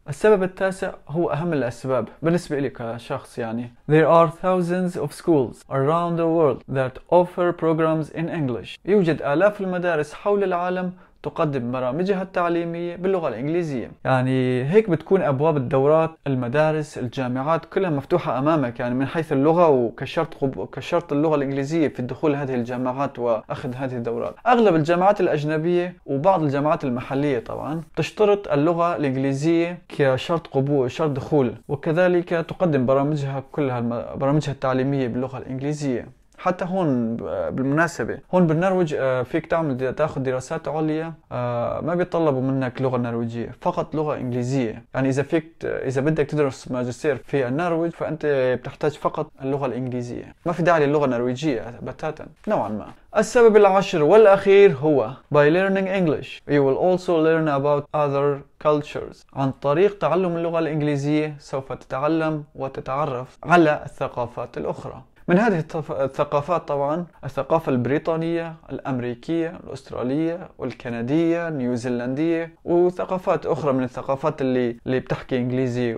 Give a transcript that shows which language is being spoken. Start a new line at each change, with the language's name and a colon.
Arabic: السبب التاسع هو اهم الاسباب بالنسبة لي كشخص يعني.
English: There are thousands of schools around the world that offer programs in English.
Arabic: يوجد الاف المدارس حول العالم تقدم برامجها التعليمية باللغة الإنجليزية. يعني هيك بتكون أبواب الدورات، المدارس، الجامعات كلها مفتوحة أمامك يعني من حيث اللغة، وكشرط اللغة الإنجليزية في الدخول هذه الجامعات وأخذ هذه الدورات. أغلب الجامعات الأجنبية وبعض الجامعات المحلية طبعا تشترط اللغة الإنجليزية كشرط قبول، شرط دخول، وكذلك تقدم برامجها كلها، برامجها التعليمية باللغة الإنجليزية. حتى هون بالمناسبة، هون بالنرويج فيك تعمل تاخذ دراسات عليا، ما بيطلبوا منك لغة نرويجية، فقط لغة انجليزية. يعني اذا فيك، اذا بدك تدرس ماجستير في النرويج فانت بتحتاج فقط اللغة الانجليزية، ما في داعي للغة النرويجية بتاتا نوعا ما. السبب العاشر والاخير هو
English: by learning English you will also learn about other cultures.
Arabic: عن طريق تعلم اللغة الانجليزية سوف تتعلم وتتعرف على الثقافات الاخرى. من هذه الثقافات طبعا الثقافة البريطانية، الأمريكية، الأسترالية، والكندية، نيوزيلندية، وثقافات أخرى من الثقافات اللي بتحكي إنجليزي.